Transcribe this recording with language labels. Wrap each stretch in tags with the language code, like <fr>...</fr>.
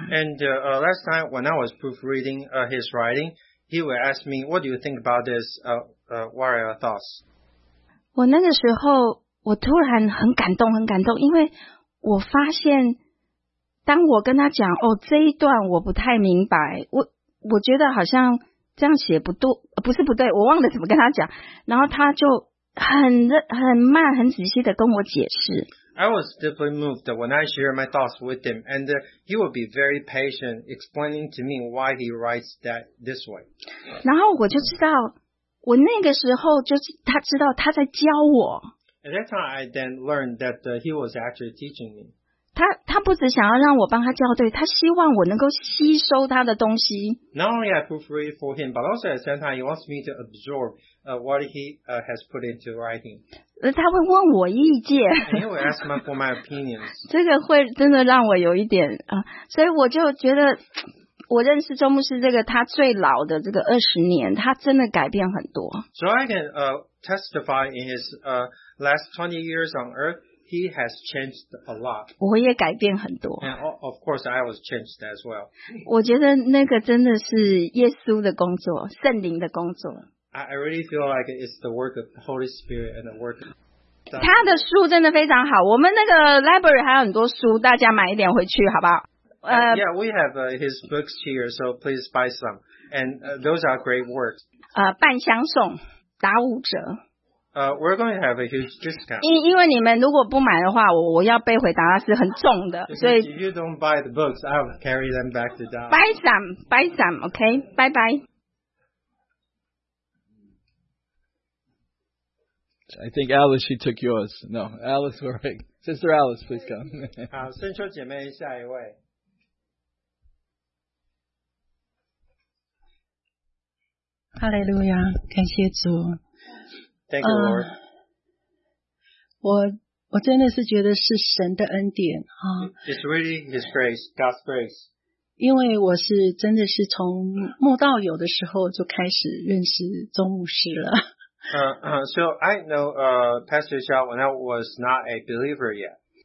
<en>？And last time when I was proofreading his writing, he would ask me, "What do you think about this? What are your thoughts?"</en> <zh>我那个时候，我突然很感动，很感动，因为我发现，当我跟他讲，哦，这一段我不太明白，我觉得好像这样写不对，不是不对，我忘了怎么跟他讲，然后他就很慢、很仔细的跟我解释。</zh> <en>I was deeply moved when I share my thoughts with him, and he would be very patient explaining to me why he writes that this way.</en> <zh>然后我就知道，我那个时候就是他知道他在教我。</zh> <en>At that time, I then learned that he was actually teaching me.</en> <zh>他不只想要让我帮他校对，他希望我能够吸收他的东西。</zh> <en>Not only I proofread for him, but also at the same time, he wants me to absorb what he has put into writing.</en> <zh>他会问我意见。</zh> <en>He will ask me for my opinions.</en> <zh>这个会真的让我有一点啊，所以我就觉得，我认识周牧师这个他最老的这个二十年，他真的改变很多。</zh> <en>So I can testify in his last 20 years on earth, he has changed a lot.</en> <zh>我也改变很多。</zh> <en>And of course, I was changed as well.</en> <zh>我觉得那个真的是耶稣的工作，圣灵的工作。</zh> <en>I really feel like it's the work of the Holy Spirit and the work of God.</en> <zh>他的书真的非常好，我们那个 library 还有很多书，大家买一点回去好不好？</zh> <en>Yeah, we have his books here, so please buy some. And those are great works.</en> <zh>半箱送，打五折。</zh> <en>We're going to have a huge discount.</en> <zh>因为你们如果不买的话，我要背回达拉斯很重的，所以。</zh> <en>If you don't buy the books, I'll carry them back to Dallas. Buy some, okay? Bye bye. I think Alice, she took yours. No, Alice, we're right. Sister Alice, please come.</en> <zh>好，圣秋姐妹，下一位。哈利路亚，感谢主。</zh> <en>Thank you, Lord.</en> <zh>我真的是觉得是神的恩典啊。</zh> <en>It's really His grace, God's grace.</en> <zh>因为我是真的是从慕道友的时候就开始认识宗牧师了。</zh> <en>So I know Pastor Zhao when I was not a believer yet.</en>